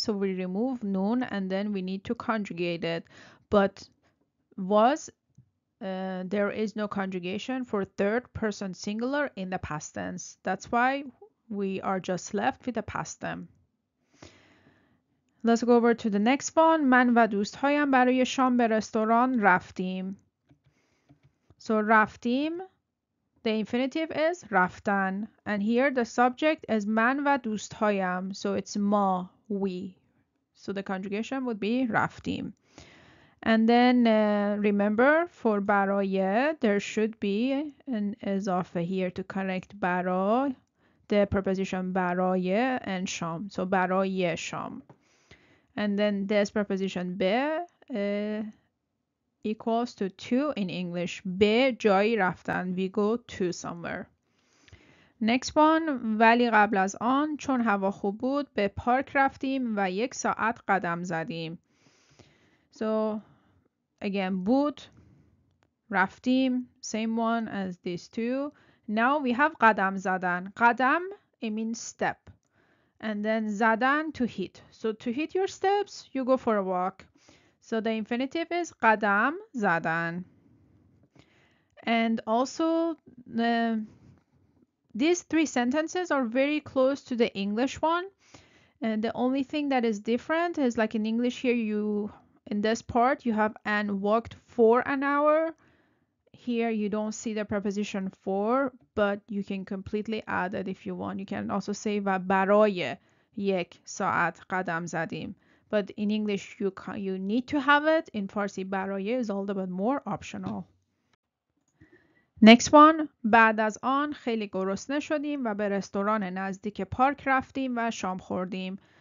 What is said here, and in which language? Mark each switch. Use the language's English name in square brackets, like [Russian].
[English] So we remove نون and then we need to conjugate it. But was, there is no conjugation for third person singular in the past tense. That's why we are just left with the past tense. Let's go over to the next one. [Persian] من و دوستهایم برای شام به رستوران رفتیم. [English] So رفتیم, the infinitive is رفتن. And here the subject is [Persian] من و دوستهایم. [English] So it's ما, we. So the conjugation would be رفتیم. And then remember for برای, there should be an اضافه here to connect برای, the preposition برای and شام. So برای شام. And then this preposition به equals to two in English. [Persian] به جایی رفتن. [English] We go to somewhere. Next one. [Persian] ولی قبل از آن چون هوا خوب بود به پارک رفتیم و یک ساعت قدم زدیم. [English] So again, بود, رفتیم, same one as these two. Now we have قدم زدن. قدم, it means step. And then زدن to hit. So to hit your steps, you go for a walk. So the infinitive is قدم زدن. And also, these three sentences are very close to the English one. And the only thing that is different is like in English here, you in this part, you have an walked for an hour. Here you don't see the preposition for, but you can completely add it if you want. You can also say [Persian] و برای یک ساعت قدم زدیم. [English] But in English you need to have it. In Farsi برای is all about more optional. Next one. [Persian] بعد از آن خیلی گرسنه شدیم و به رستوران نزدیک پارک رفتیم و شام خوردیم.